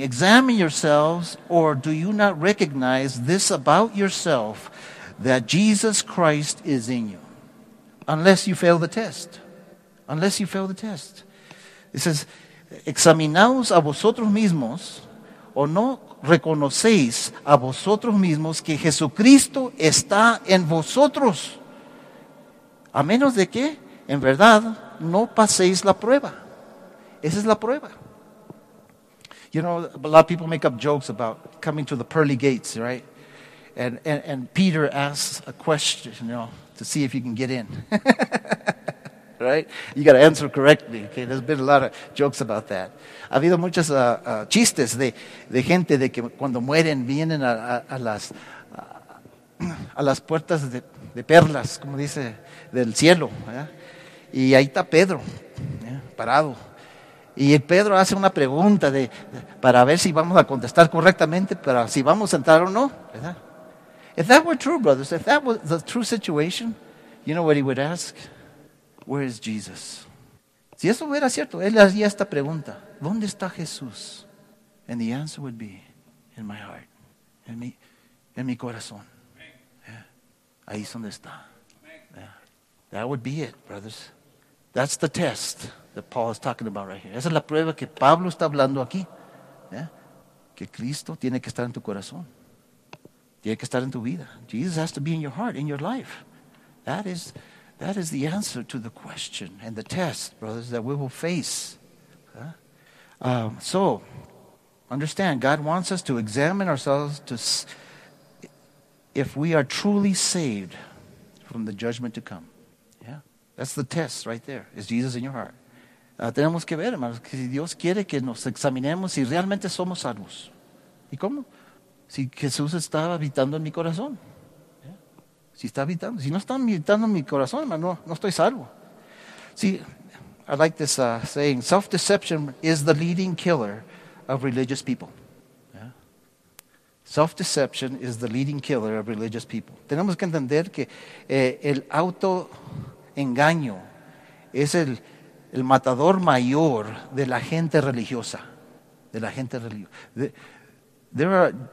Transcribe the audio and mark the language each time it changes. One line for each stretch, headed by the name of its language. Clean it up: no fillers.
English: Examine yourselves, or do you not recognize this about yourself, that Jesus Christ is in you? Unless you fail the test. Unless you fail the test.
Spanish: It says, examinaos a vosotros mismos, o no reconocéis a vosotros mismos que Jesucristo está en vosotros. A menos de que, en verdad, no paséis la prueba. Esa es la prueba.
English: You know, a lot of people make up jokes about coming to the pearly gates, right? And Peter asks a question, you know, to see if you can get in. Right? You got to answer correctly. Okay? There's been a lot of jokes about that.
Spanish: Ha habido muchos chistes de gente de que cuando mueren vienen a las puertas de perlas, como dice, del cielo. ¿Eh? Y ahí está Pedro, ¿eh? Parado. Y Pedro hace una pregunta para ver si vamos a contestar correctamente, para si vamos a entrar o no.
English: ¿Verdad? If that were true, brothers, if that was the true situation, you know what he would ask? Where is Jesus?
Spanish: Si eso fuera cierto, él haría esta pregunta. ¿Dónde está Jesús?
English: And the answer would be, in my heart.
Spanish: En mi corazón. Yeah. Ahí es donde está. Yeah.
English: That would be it, brothers. That's the test that Paul is talking about right here.
Spanish: Esa es la prueba que Pablo está hablando aquí. Yeah. Que Cristo tiene que estar en tu corazón. Tiene que estar en tu vida.
English: Jesus has to be in your heart, in your life. That is the answer to the question and the test, brothers, that we will face. So, understand, God wants us to examine ourselves if we are truly saved from the judgment to come. Yeah, that's the test right there. Is Jesus in your heart?
Spanish: Tenemos que ver, hermanos, que si Dios quiere que nos examinemos si realmente somos salvos. ¿Y cómo? Si Jesús está habitando en mi corazón. Si está habitando, si no está habitando en mi corazón, hermano, no estoy salvo.
English: See, I like this saying, self-deception is the leading killer of religious people. Yeah. Self-deception is the leading killer of religious people.
Spanish: Tenemos que entender que el autoengaño es el matador mayor de la gente religiosa. De la gente religiosa.
English: There are